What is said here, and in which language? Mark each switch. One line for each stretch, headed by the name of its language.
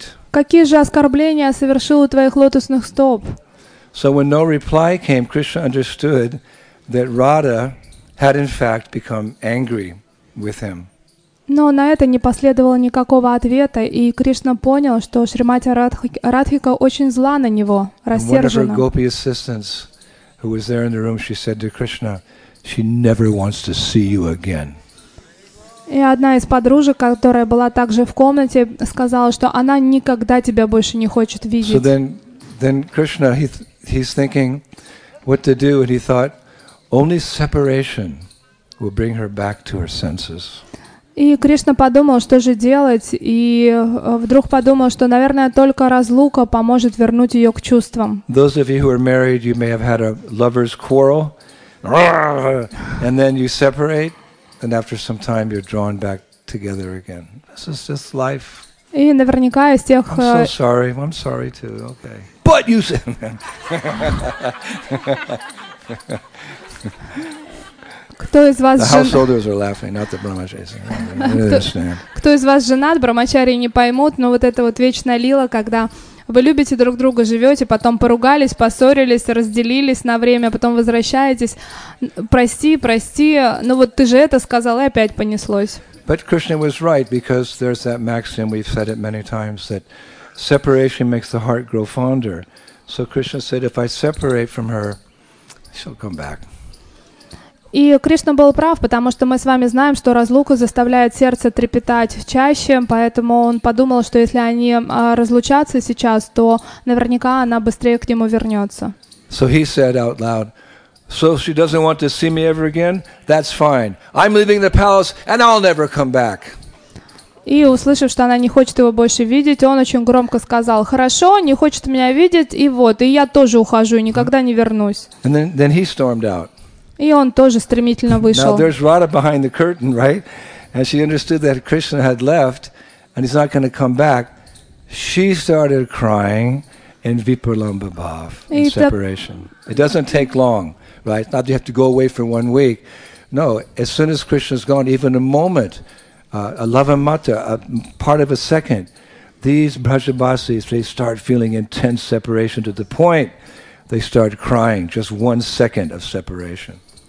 Russian: Какие же оскорбления я совершил у твоих лотосных стоп?
English: So when no reply came, Krishna understood that Radha had in fact become angry with him.
Russian: Но на это не последовало никакого ответа, и Кришна понял, что Шримати Радхика очень зла на него, рассержена.
English: One of her gopi assistants, who was there in the room, she said to Krishna, she never wants to see you again.
Russian: И одна из подружек, которая была также в комнате, сказала, что она никогда тебя больше не хочет видеть.
English: So then Krishna, he's thinking what to do, and he thought only separation will bring her back to her senses.
Russian: И Кришна подумал, что же делать, и вдруг подумал, что, наверное, только разлука поможет вернуть ее к чувствам.
English: Those of you who are married, you may have had a lover's quarrel. And then you separate, and after some time you're drawn back together again. This is just life.
Russian: И наверняка из тех.
English: I'm so sorry. I'm sorry too. Okay. But you said.
Russian: Кто из вас женат?
English: The householders are laughing, not the brahmacharis. I understand.
Russian: Кто из вас женат, брахмачарии не поймут, но вот это вот вечная лила, когда вы любите друг друга, живете, потом поругались, поссорились, разделились на время, потом возвращаетесь. Прости, прости, ну вот ты же это сказал, и опять понеслось.
English: But Krishna was right, because there's that maxim, we've said it many times, that separation makes the heart grow fonder. So Krishna said, if I separate from her, she'll come back.
Russian: И Кришна был прав, потому что мы с вами знаем, что разлука заставляет сердце трепетать чаще, поэтому он подумал, что если они разлучатся сейчас, то наверняка она быстрее к нему вернется.
English: So he said out loud, so if she doesn't want to see me ever again, that's fine. I'm leaving the palace and I'll never come back.
Russian: И услышав, что она не хочет его больше видеть, он очень громко сказал: хорошо, не хочет меня видеть, и вот, и я тоже ухожу, никогда не вернусь.
English: And then he stormed out.
Russian: И он тоже стремительно вышел.
English: Now there's Radha behind the curtain, right? And she understood that Krishna had left and he's not going to come back. She started crying in Vipralamba Bhav, in separation. It doesn't take long, right? Not you have to go away for 1 week. No, as soon as Krishna's gone, even a moment, a lava mata, a part of a second, these Brajabasis, they start feeling intense separation to the point they start crying, just 1 second of separation.